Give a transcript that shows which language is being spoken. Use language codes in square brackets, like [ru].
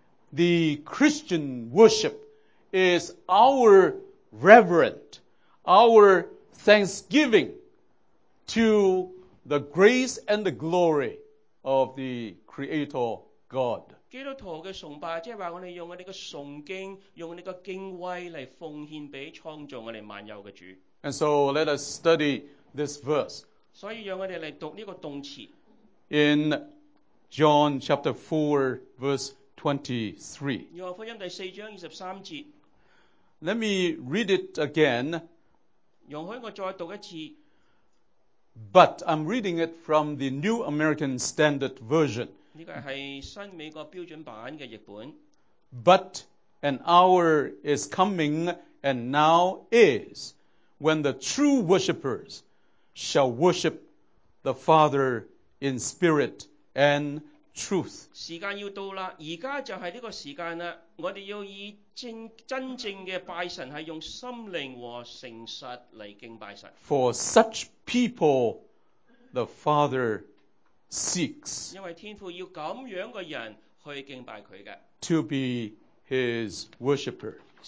[en] the Christian worship is our reverent, our thanksgiving to the grace and the glory of the Creator God. [zh] 基督徒的崇拜,即是说我们用我们的崇敬,用我们的敬畏来奉献给创造我们万有的主。 [en] And so let us study this verse. [zh] 所以让我们来读这个动词。 [en] In John chapter 4, verse 23. [zh] 约翰福音第四章23节。 [en] Let me read it again. [zh] 容许我再读一次。 [en] But I'm reading it from the New American Standard Version. [zh] 这个是新美国标准版的译本。 [en] But an hour is coming, and now is, when the true worshippers shall worship the Father in spirit and truth. [zh] 时间要到了，现在就是这个时间了，我们要以真正的拜神，是用心灵和诚实来敬拜神。 [en] For such people, the Father seeks to be His worshipper.